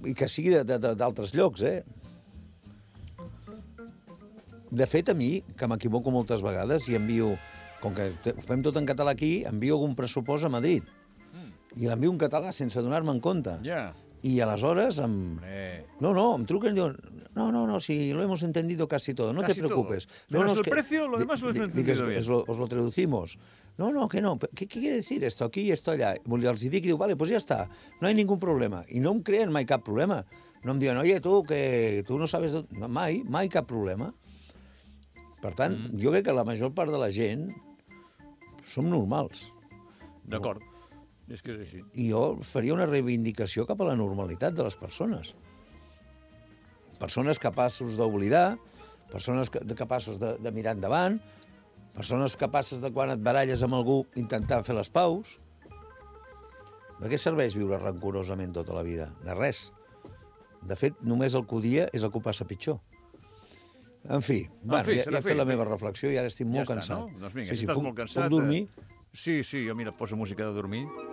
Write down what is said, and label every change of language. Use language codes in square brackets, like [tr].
[ca] I que sigui d'altres llocs, eh? De fet, a mi, que m'equivoco moltes vegades i envio... Com que ho fem tot en català aquí, envio algun pressupost a Madrid. I l'envio en català sense donar-me en compte. Ja. Yeah. I aleshores em... No, em truquen i diuen... [es] No, si lo hemos entendido casi todo, no casi te preocupes. Todo. Menos no, el que... precio, lo demás lo hemos entendido bien. Os lo traducimos. No, que no. ¿Qué quiere decir esto aquí y esto allá? Y [ca] els dic, diu, [es] vale, pues ya está, no hay ningún problema. [ca] I no em creen mai cap problema. No em diuen, [es] oye, tú no sabes... [ca] No, mai cap problema. Per tant, jo crec que la major part de la gent som normals. D'acord. És que és així. I jo faria una reivindicació cap a la normalitat de les persones. Persones capaços d'oblidar, persones capaços de mirar endavant, persones capaces de, quan et baralles amb algú, intentar fer les paus. De què serveix viure rancorosament tota la vida? De res. De fet, només el que odia és el que ho passa pitjor. En fi, ja he fet la meva reflexió i ara estic molt cansat. Ja està, cansat. No? Doncs vinga, sí, estàs molt cansat. Puc dormir? Sí, jo mira, poso música de dormir.